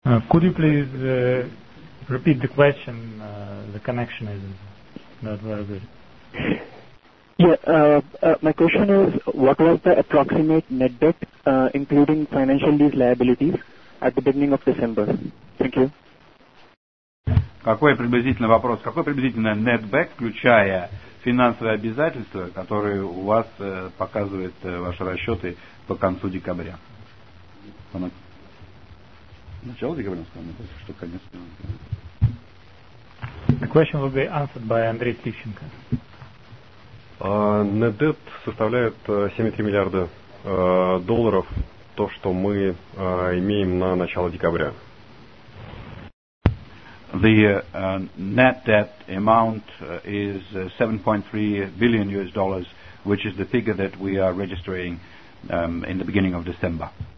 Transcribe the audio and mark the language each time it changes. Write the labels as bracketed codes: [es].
[en] Could you please repeat the question? The connection is not very good. Yeah, my question is, what was the approximate net debt, including financial lease liabilities, at the beginning of December? Thank you. [ru] Какой приблизительный вопрос? Какой приблизительный net debt, включая финансовые обязательства, которые у вас показывают ваши расчеты по концу декабря? Начало декабря, что конец. [en] The question will be answered by Andrey Tishchenko. [ru] Net debt составляет $7.3 billion, долларов, то, что мы имеем на начало декабря. [en] The net debt amount is $7.3 billion, which is the figure that we are registering in the beginning of December.